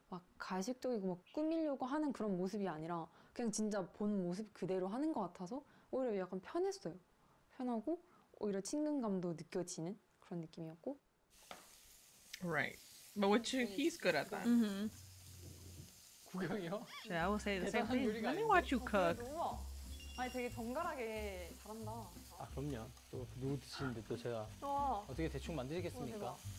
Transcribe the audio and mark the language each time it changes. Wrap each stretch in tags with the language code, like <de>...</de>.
<ko>막 가식적이고 막 꾸밀려고 하는 그런 모습이 아니라 그냥 진짜 본 모습 그대로 하는 것 같아서 오히려 약간 편했어요. 편하고 오히려 친근감도 느껴지는 그런 느낌이었고.</ko> <en>Right, but what you, he's good at that. Mm-hmm. Cooking? Yeah, I will say the same thing. Let me watch you cook.</en> <ko>Oh, 아니 되게 정갈하게 잘한다. 아 그럼요. 또 누구 드시는데 또 제가 어떻게 대충 만드시겠습니까?</ko>